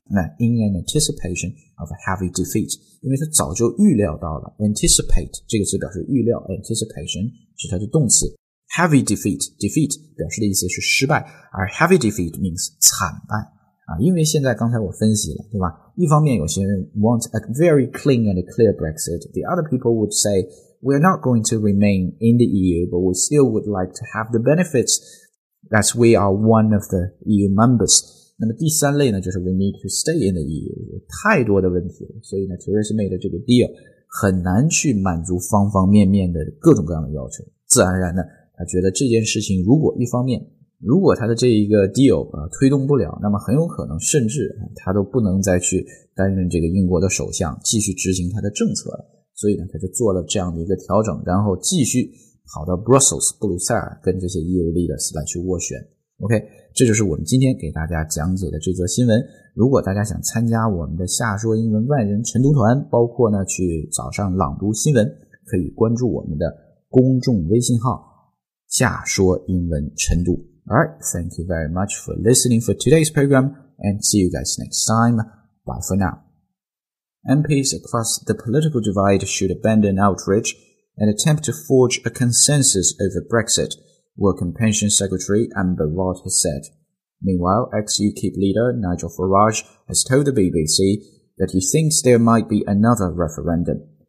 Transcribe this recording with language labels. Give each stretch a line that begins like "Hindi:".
Chinese: 那
English: in an anticipation of a heavy defeat,
Chinese: 因为他早就预料到了 anticipate 这个词表示预料 anticipation 是它的动词 heavy defeat 表示的意思是失败，而 heavy defeat means 惨败啊。因为现在刚才我分析了，对吧？一方面有些人
English: want a very clean and clear Brexit, the other people would say we're not going to remain in the EU, but we still would like to have the benefits that we are one of the EU members.
Chinese: 那么第三类呢，就是
English: we need to stay in the EU,
Chinese: 有太多的问题了，所以呢 Theresa May 的这个 deal 很难去满足方方面面的各种各样的要求。自然而然呢，他觉得这件事情如果一方面，如果他的这一个 deal 推动不了，那么很有可能甚至他都不能再去担任这个英国的首相，继续执行他的政策了。所以呢，他就做了这样的一个调整，然后继续跑到 Brussels 布鲁塞尔跟这些 EU leaders 来去斡旋。 OK, 这就是我们今天给大家讲解的这则新闻。如果大家想参加我们的下说英文外人晨读团，包括呢去早上朗读新闻，可以关注我们的公众微信号下说英文晨读。
English: Alright, thank you very much for listening for today's program and see you guys next time. Bye for now. MPs across the political divide should abandon outrage and attempt to forge a consensus over Brexit. Working Pension Secretary Amber Rudd has said. Meanwhile, ex-UKIP leader Nigel Farage has told the BBC that he thinks there might be another referendum.